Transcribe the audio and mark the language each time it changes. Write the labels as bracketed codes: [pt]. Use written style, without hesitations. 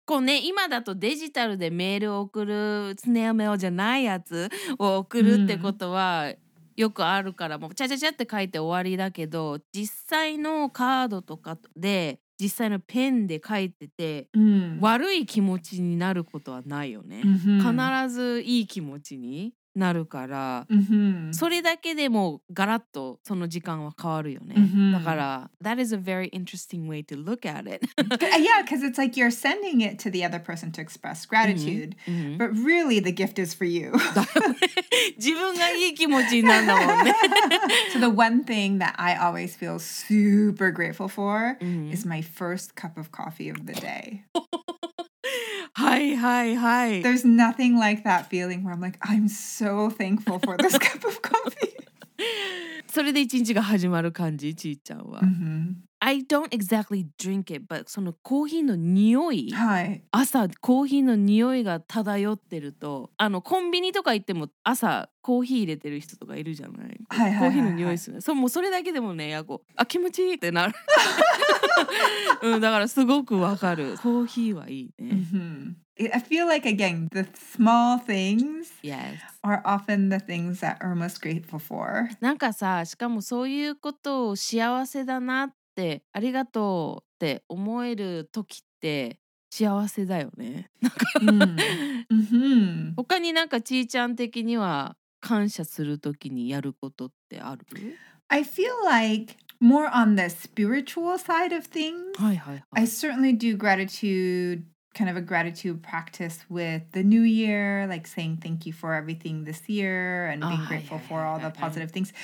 [ja] こうね、今だとデジタルでメールを送る、スネアメールじゃないやつを送るってことは、よくあるからもうチャチャチャって書いて終わりだけど実際のカードとかで実際のペンで書いてて、うん、悪い気持ちになることはないよね、うん、必ずいい気持ちになるから、うん、それだけでもガラッとその時間は変わるよね、うん、 [en] だから That is a very interesting way to look at it. Yeah, because it's like you're sending it to the other person to express gratitude、 [ja] うん、 [en] but really the gift is for you. [ja] 自分がいい気持ちになるんだもんね。 [en] So the one thing that I always feel super grateful for、mm-hmm. is my first cup of coffee of the day. [ja] はいはいはい。 [en] There's nothing like that feeling where I'm like, I'm so thankful for this cup of coffee. [ja] それで一日が始まる感じ、ちいちゃんは。 [en] Mm-hmm. I don't exactly drink it, but [ja] そのコーヒーの匂い、はい、朝コーヒーの匂いが漂ってると、あのコンビニとか行っても朝コーヒー入れてる人とかいるじゃない。はいはいはいはい、コーヒーの匂いする。そう、もうそれだけでもね、やこ、あ、気持ちいいってなる。うん、だからすごくわかる。コーヒーはいいね。 [en] I feel like, again, the small things、 yes. are often the things that are most grateful for. [ja] なんかさ、しかもそういうことを幸せだなって、ありがとうって思える時って幸せだよね。なんか他になんかちーちゃん的には感謝する時にやることってある? [en] I feel like... More on the spiritual side of things. [ja] はいはいはい。 [en] I certainly do gratitude, kind of a gratitude practice with the new year, like saying thank you for everything this year and being grateful for all the positive things.